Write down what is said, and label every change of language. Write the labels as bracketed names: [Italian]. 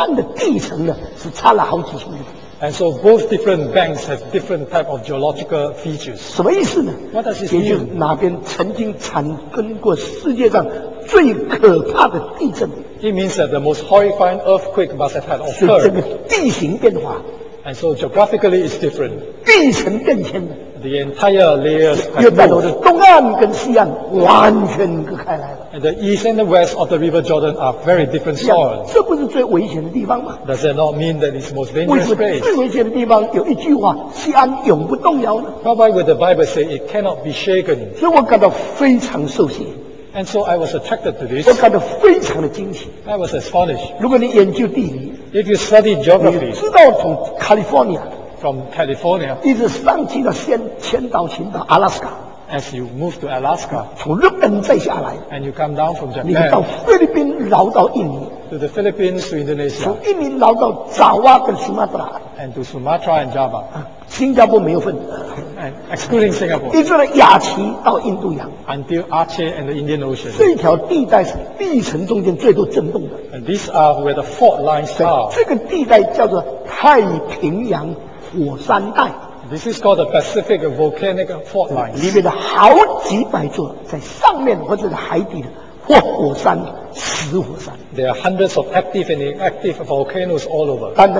[Chinese] 所以右边、左边、东边、西边的两岸的地层呢，是差了好几千年。 [English] And so both different banks have different type of geological features. [Chinese] 什么意思呢? [English] What does this mean? [Chinese] 也就是哪边曾经产生过世界上最可怕的地震? [English] It means that the most horrifying earthquake must have had occurred. [Chinese] 所以这个地形变化, [English] and so geographically it's different. [Chinese] 地层变迁, [English] the entire layers have moved. And the east and the west of the River Jordan are very different soils. [Chinese] 这不是最危险的地方吗? [English] Does that not mean that it's the most dangerous place? [Chinese] 最危险的地方有一句话, 西安永不动摇呢? [English] But why would the Bible say it cannot be shaken? [Chinese] 所以我感到非常受洗, [English] and so I was attracted to this. [Chinese] 我感到非常的惊奇, [English] I was astonished. [Chinese] 如果你研究地理, [English] if you study geography, [Chinese] 你知道从 California, [English] from California, [Chinese] 一直上去到千岛群岛, Alaska, [English] as you move to Alaska, [Chinese] 从日本再下来, [English] and you come down from Japan, [Chinese] 你到菲律宾绕到印尼, [English] to the Philippines, to Indonesia, [Chinese] 从印尼绕到爪哇跟 Sumatra, [English] and to Sumatra and Java, [Chinese] 新加坡没有份, [English] and excluding Singapore, [Chinese] 一直到亚奇到印度洋, [English] until Aceh and the Indian Ocean. [Chinese] 这条地带是地层中间最多震动的, [English] and these are where the fault lines are. [Chinese] 这个地带叫做太平洋火山带, [English] this is called the Pacific Volcanic Fault Lines. [Chinese] 里面的好几百座在上面或者海底的或火山死火山, [English] there are hundreds of active and inactive volcanoes all over.